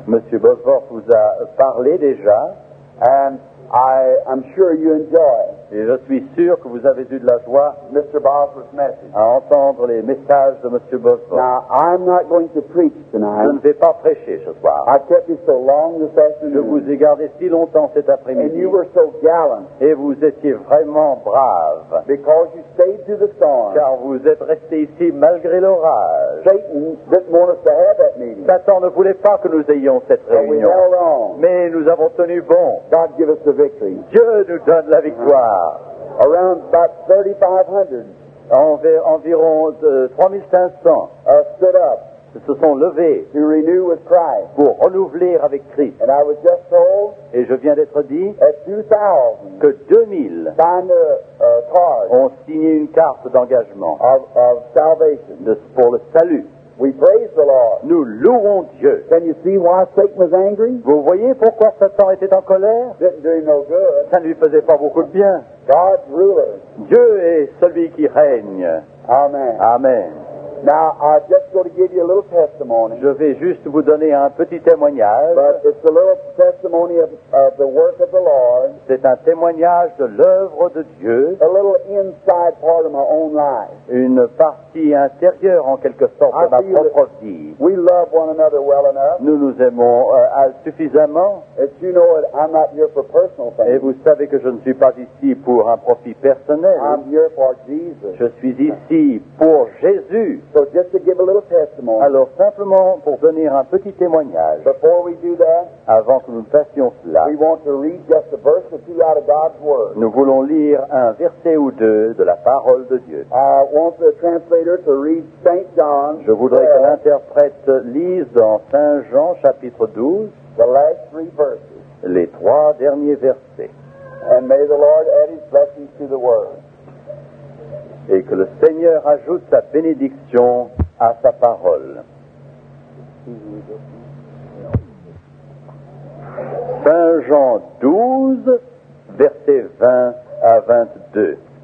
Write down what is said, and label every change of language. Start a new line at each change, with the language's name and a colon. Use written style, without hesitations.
French: Monsieur Bosworth vous a parlé déjà.
English: And I'm sure you enjoy.
French: Et je suis sûr que vous avez eu de la joie,
English: Mr. Bosworth's message.
French: À entendre les messages de Monsieur Bosworth.
English: Now I'm not going to preach tonight.
French: Je ne vais pas prêcher ce soir.
English: I kept you so long this afternoon.
French: Je vous ai gardé si longtemps cet après-midi.
English: And you were so gallant.
French: Et vous étiez vraiment brave.
English: Because you stayed through the storm.
French: Car vous êtes resté ici malgré l'orage.
English: Satan didn't want us to have that meeting.
French: Satan ne voulait pas que nous ayons cette réunion.
English: But we held on.
French: Mais nous avons tenu bon.
English: God give us the victory.
French: Dieu nous donne la victoire.
English: Around about 3,500.
French: Environ 3,500
English: stood up.
French: Se sont levés.
English: To renew with Christ.
French: Pour renouveler avec Christ.
English: And I was just told.
French: Et je viens d'être dit.
English: At 2,000.
French: Que 2,000.
English: Signed a card.
French: Ont signé une carte d'engagement.
English: Of salvation.
French: Pour le salut.
English: We praise the Lord.
French: Nous louons Dieu.
English: Can you see why Satan was angry?
French: Vous voyez pourquoi Satan était en colère?
English: Didn't do him no good.
French: Ça ne lui faisait pas beaucoup de bien.
English: God's ruler.
French: Dieu est celui qui règne.
English: Amen.
French: Amen.
English: Now I'm just going to give you a little testimony.
French: Je vais juste vous donner un petit témoignage.
English: But it's a little testimony of the work of the Lord.
French: C'est un témoignage de l'œuvre de Dieu.
English: A little inside part of my own life.
French: Une partie intérieure en quelque sorte de ma propre vie.
English: We love one another well enough.
French: Nous nous aimons suffisamment.
English: And you know it, I'm not here for personal things.
French: Et vous savez que je ne suis pas ici pour un profit personnel.
English: I'm here for Jesus.
French: Je suis ici pour Jésus.
English: So just to give a little testimony.
French: Alors simplement pour donner un petit témoignage.
English: Before we do that,
French: avant que nous fassions cela,
English: we want to read just a verse or two out of God's word.
French: Nous voulons lire un verset ou deux de la parole de Dieu.
English: I want the translator to read Saint John.
French: Je voudrais que l'interprète lise dans Saint Jean chapitre 12,
English: the last three verses.
French: Les trois derniers versets.
English: And may the Lord add His blessing to the word.
French: Et que le Seigneur ajoute sa bénédiction à sa parole. Saint Jean 12, versets 20 à 22.